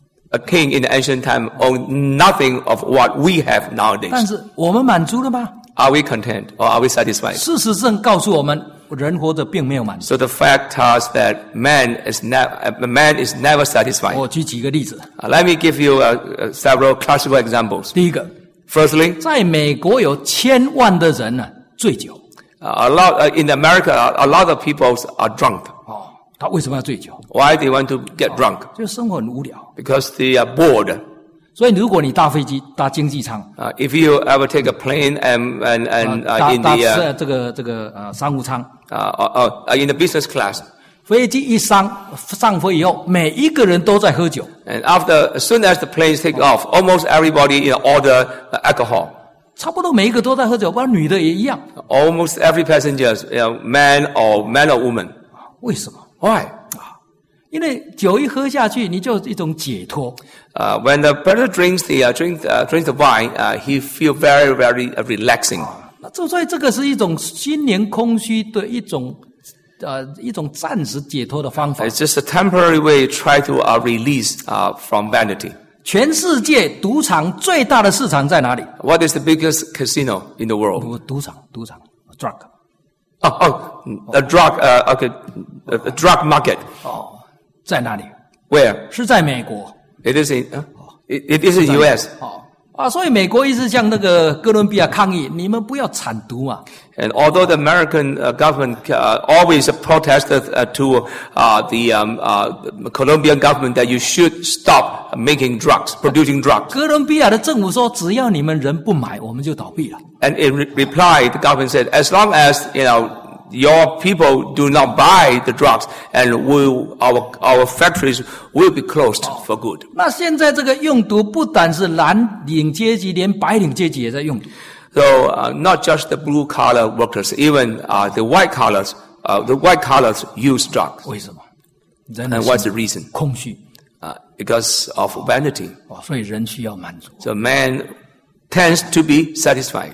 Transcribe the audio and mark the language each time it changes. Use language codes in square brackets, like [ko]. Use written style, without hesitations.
[en] A king in the ancient time owned nothing of what we have nowadays. [zh] 但是我们满足了吗？ [en] Are we content or are we satisfied? [zh] 事实证告诉我们人活着并没有满足。 [en] So the fact is that man is never satisfied. [zh] 我举几个例子。 [en] Let me give you several classical examples. [zh] 第一个。 [en] Firstly, [zh] 在美国有千万的人呢醉酒。 [en] In America, a lot of people are drunk. [zh] 他为什么要醉酒？ [en] Why they want to get drunk? [zh] 就生活很无聊。 [en] Because they are bored. [zh] 所以如果你搭飞机搭经济舱。 [en] If you ever take a plane and in the [zh] 商务舱。 [en] In the business class. [zh] 飞机一上飞以后每一个人都在喝酒。 [en] And as soon as the planes take off, almost everybody order alcohol. [zh] 差不多每一个都在喝酒，不然女的也一样。 [en] Almost every passenger, man or woman. [zh] 为什么？ [en] Why? [zh] 因为酒一喝下去你就一种解脱。 [en] When the person drinks the wine, he feels very, very relaxing. [zh] 所以这个是一种心灵空虚的一种暂时解脱的方法。 [en] It's just a temporary way to try to release from vanity. [zh] 全世界赌场最大的市场在哪里？ [en] What is the biggest casino in the world? [zh] 赌场 [en] drug. A drug market. [zh] 在哪里？ [en] Where? [zh] 是在美国。 [en] It is in US. [zh] 啊，所以美国一直向那个哥伦比亚抗议，你们不要铲毒啊。 [en] And although the American government always protested to the Colombian government that you should stop making drugs, producing drugs. [zh] 哥伦比亚的政府说，只要你们人不买，我们就倒闭了。 [en] And in reply, the government said, as long as you know. Your people do not buy the drugs, and our factories will be closed for good. [zh] 那现在这个用毒不但是蓝领阶级，连白领阶级也在用毒。 [en] So, not just the blue collar workers, even the white collars use drugs. [zh] 为什么？人的心。 [en] And what's the reason? [zh] 空虚。 [en] Because of vanity. [zh] 所以人需要满足。 [en] So man tends to be satisfied.